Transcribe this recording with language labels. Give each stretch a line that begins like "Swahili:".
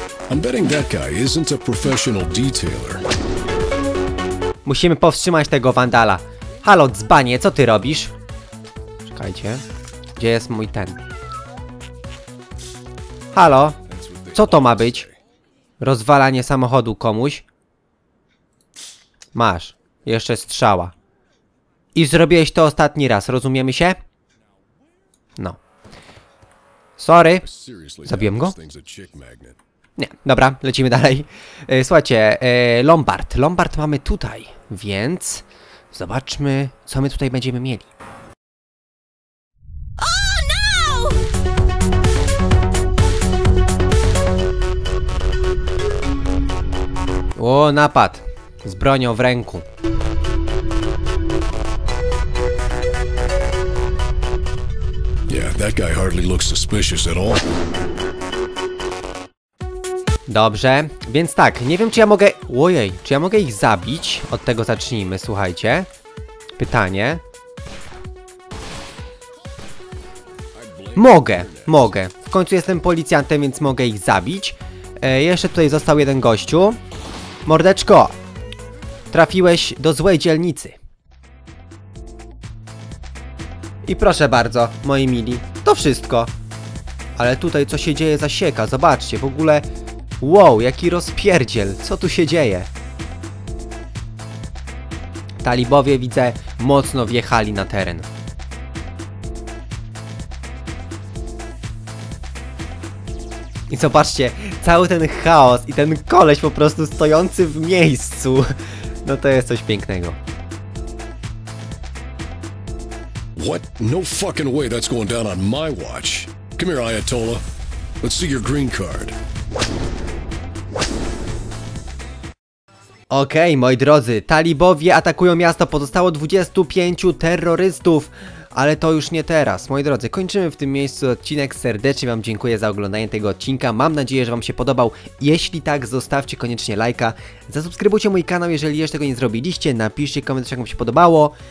English: I'm betting that guy isn't a professional detailer.
Polish: Musimy powstrzymać tego wandala. Halo, dzbanie, co ty robisz? Czekajcie. Gdzie jest mój ten? Halo, co to ma być? Rozwalanie samochodu komuś? Masz. Jeszcze strzała. I zrobiłeś to ostatni raz, rozumiemy się? No. Sorry. Zabiłem go? Nie, dobra, lecimy dalej. Słuchajcie, lombard. Lombard mamy tutaj, więc zobaczmy, co my tutaj będziemy mieli.
English: Oh, no!
Polish: O, napad. Z bronią w ręku.
English: Yeah, that guy hardly looks suspicious at all.
Polish: Dobrze, więc tak, nie wiem czy ja mogę... Ojej, czy ja mogę ich zabić? Od tego zacznijmy, słuchajcie. Pytanie. Mogę. W końcu jestem policjantem, więc mogę ich zabić. Jeszcze tutaj został jeden gościu. Mordeczko! Trafiłeś do złej dzielnicy. I proszę bardzo, moi mili, to wszystko. Ale tutaj co się dzieje zasieka, zobaczcie, w ogóle... Wow, jaki rozpierdziel, co tu się dzieje? Talibowie, widzę, mocno wjechali na teren. I zobaczcie, cały ten chaos i ten koleś po prostu stojący w miejscu. No to jest coś pięknego.
English: What? No fucking way that's going down on my watch. Come here, Ayatollah. Let's see your green card.
Polish: Okej, moi drodzy, talibowie atakują miasto, pozostało 25 terrorystów, ale to już nie teraz. Moi drodzy, kończymy w tym miejscu odcinek, serdecznie wam dziękuję za oglądanie tego odcinka, mam nadzieję, że wam się podobał. Jeśli tak, zostawcie koniecznie lajka, zasubskrybujcie mój kanał, jeżeli jeszcze tego nie zrobiliście, napiszcie komentarz, jak wam się podobało.